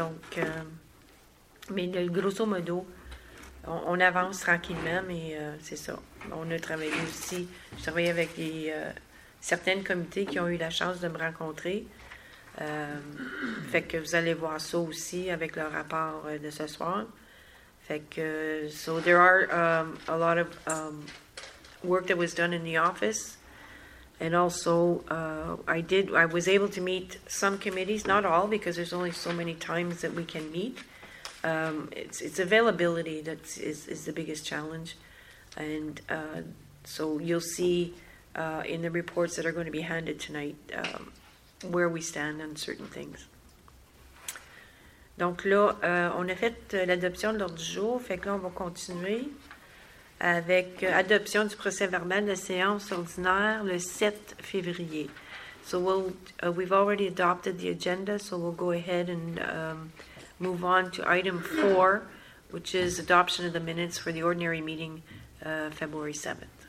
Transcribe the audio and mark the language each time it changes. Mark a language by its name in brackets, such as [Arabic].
[French] Donc, mais grosso modo, on avance tranquillement, mais c'est ça. On a travaillé aussi, je travaillais avec certaines comités qui ont eu la chance de me rencontrer. Fait que vous allez voir ça aussi avec le rapport de ce soir. Fait que, [English] so there are a lot of work that was done in the office. And also, I was able to meet some committees, not all, because there's only so many times that we can meet. It's availability that is the biggest challenge. And so you'll see in the reports that are going to be handed tonight, where we stand on certain things. [French] Donc là, on a fait l'adoption de l'ordre du jour, fait que là, on va continuer avec adoption du procès-verbal de séance ordinaire le 7 février. [English] So we've already adopted the agenda, so we'll go ahead and move on to item 4, which is adoption of the minutes for the ordinary meeting February 7th.